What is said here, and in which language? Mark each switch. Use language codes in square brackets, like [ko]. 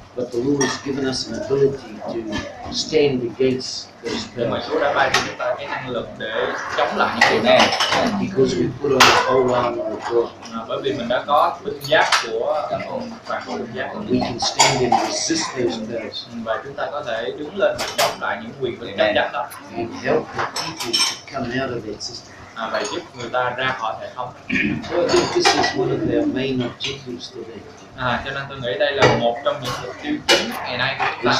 [en] But the Lord has given us an ability to stand against those powers. [vi] Mà Chúa đã ban cho chúng ta cái năng lực để chống lại những điều này. [en] Because we put on the whole armor of God. [vi] Bởi vì mình đã có binh giáp của các ông và có binh giáp. [en] We can stand and resist those powers. [vi] Và chúng ta có thể đứng lên và chống lại những quyền bính chấp chặt đó. [en] And help the people to come out of that system. [vi] Và giúp người ta ra khỏi hệ thống. [en] So I think this is one of their main objectives today. [vi] Cho nên tôi nghĩ đây là một trong những mục tiêu chính ngày nay của chúng ta.